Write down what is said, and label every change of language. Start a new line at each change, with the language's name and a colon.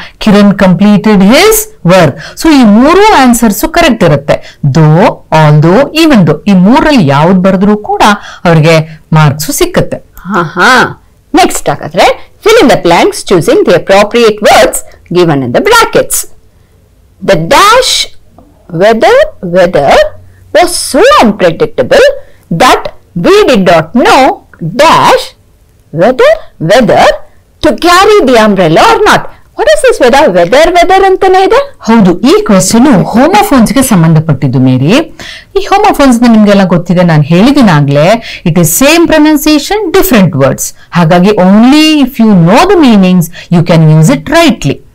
English: Kiran completed his work.
Kannada: So ಈ ಮೂರು answers correct ಇರುತ್ತೆ. ದೋ, ಆಲ್ ದೋ, ಈವನ್ ದೋ, ಈ ಮೂರಲ್ಲಿ ಯಾವ್ದು ಬರೆದ್ರು ಕೂಡ ಅವ್ರಿಗೆ ಮಾರ್ಕ್ಸ್ ಸಿಕ್ಕುತ್ತೆ.
English: Next ಹಾಗಾದ್ರೆ fill in the blanks choosing the appropriate words given in the brackets. The dash weather was so unpredictable that we did not know dash weather to carry the umbrella or not. What is this weather?
Kannada: Weather ಅಂತಾನೆ ಇದೆ. ಹೌದು, ಈ question homophones ಗೆ ಸಂಬಂಧಪಟ್ಟಿದ್ದು ಮೇರಿ. ಈ homophones ನಿಮ್ಗೆಲ್ಲ ಗೊತ್ತಿದೆ, ನಾನು ಹೇಳಿದಿನ ಆಗ್ಲೇ,
English: It is same pronunciation, different words. ಹಾಗಾಗಿ only if you know the meanings you can use it rightly.